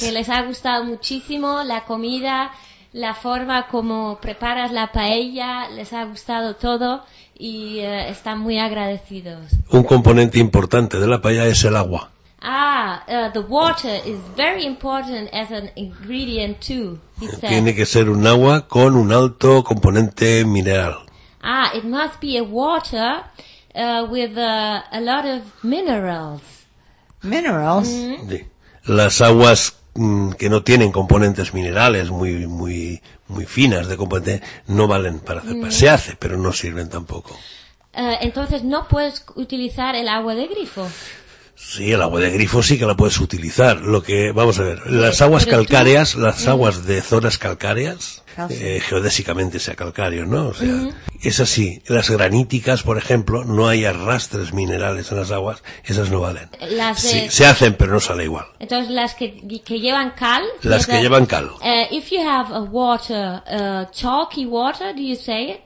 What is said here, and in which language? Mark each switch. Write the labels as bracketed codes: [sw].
[es] Que les ha gustado muchísimo la comida, la forma como preparas la paella, les ha gustado todo y están muy agradecidos. Un componente importante de la paella es el agua. [en] Ah, the water is very important as an ingredient too. [es] Tiene que ser un agua con un alto componente mineral. [en] Ah, it must be a water with a lot of minerals. Minerals? Mm-hmm. [es] Las aguas que no tienen componentes minerales muy muy muy finas de componente no valen para hacer. Mm-hmm. Se hace, pero no sirven tampoco. Entonces no puedes utilizar el agua de grifo. Sí, el agua de grifo sí que la puedes utilizar. Lo que, vamos a ver, las aguas calcáreas, las aguas de zonas calcáreas, geodésicamente sea calcáreo, ¿no? O sea, es así. Las graníticas, por ejemplo, no hay arrastres minerales en las aguas, esas no valen. Sí, se hacen, pero no sale igual. Entonces, las que llevan cal. [en] If you have a water, chalky water, do you say it?